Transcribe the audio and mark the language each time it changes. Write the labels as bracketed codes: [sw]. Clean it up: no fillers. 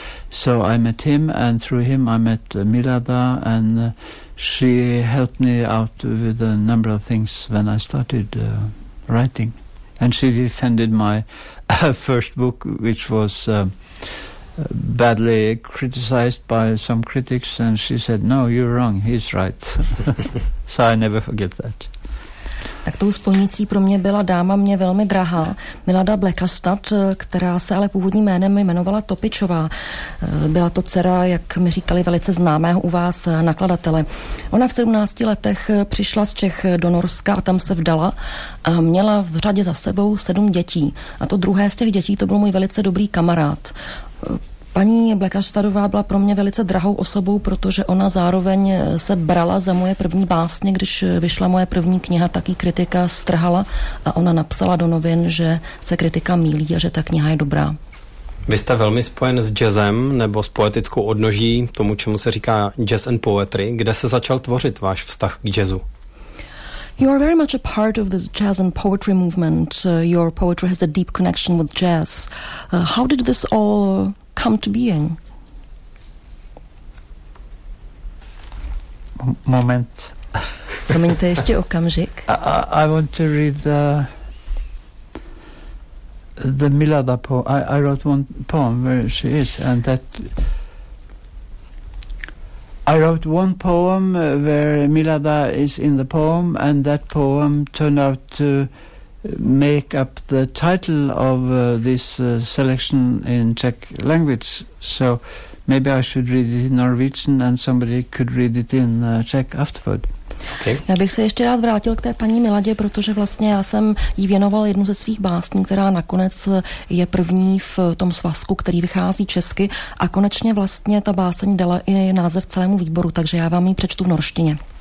[en] So I met him, and through him I met Milada, and she helped me out with a number of things when I started writing, and she defended my first book, which was badly criticized by some critics, and she said, no, you're wrong, he's right. So I never forget that. [cs] Tak tou spojnicí pro mě byla dáma mě velmi drahá, Milada Blekastad, která se ale původním jménem jmenovala Topičová. Byla to dcera, jak mi říkali, velice známého u vás nakladatele. Ona v 17 letech přišla z Čech do Norska a tam se vdala a měla v řadě za sebou 7 dětí. A to druhé z těch dětí, to byl můj velice dobrý kamarád. Paní Blekastadová byla pro mě velice drahou osobou, protože ona zároveň se brala za moje první básně, když vyšla moje první kniha, tak jí kritika strhala a ona napsala do novin, že se kritika mýlí a že ta kniha je dobrá. Vy jste velmi spojen s jazzem nebo s poetickou odnoží, tomu, čemu se říká jazz and poetry. Kde se začal tvořit váš vztah k jazzu? [en] You are very much a part of this jazz and poetry movement. Your poetry has a deep connection with jazz. How did this all come to being? [cs] Moment. Promiňte, ještě okamžik. [en] I want to read the Milada poem. I wrote one poem where she is, and that I wrote one poem where Milada is in the poem, and that poem turned out to make up the title of this selection in Czech language. So maybe I should read it in Norwegian and somebody could read it in Czech afterward. [cs] Okay. Já bych se ještě rád vrátil k té paní Miladě, protože vlastně já jsem jí věnoval jednu ze svých básní, která nakonec je první v tom svazku, který vychází česky, a konečně vlastně ta báseň dala i název celému výboru, takže já vám ji přečtu v norštině.